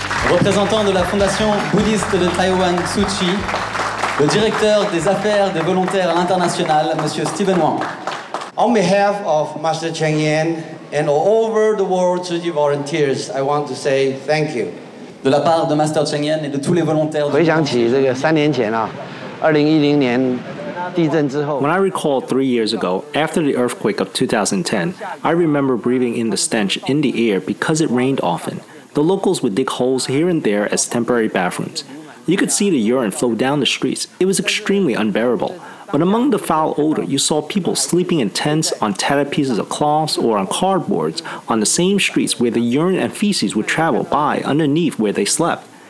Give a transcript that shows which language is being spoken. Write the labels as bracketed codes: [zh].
[fr] Représentant de la Fondation Bouddhiste de Taïwan, Suchi, le Directeur des Affaires des Volontaires à l'International, Monsieur Stephen Huang. [en] On behalf of Master Cheng Yan and all over the world Suchi volunteers, I want to say thank you. [fr] De la part de Master Cheng Yan et de tous les volontaires. [zh] 回想起这个三年前啊， 2010年。 [en] When I recall 3 years ago, after the earthquake of 2010, I remember breathing in the stench in the air because it rained often. The locals would dig holes here and there as temporary bathrooms. You could see the urine flow down the streets. It was extremely unbearable. But among the foul odor, you saw people sleeping in tents, on tattered pieces of cloths, or on cardboards, on the same streets where the urine and feces would travel by underneath where they slept.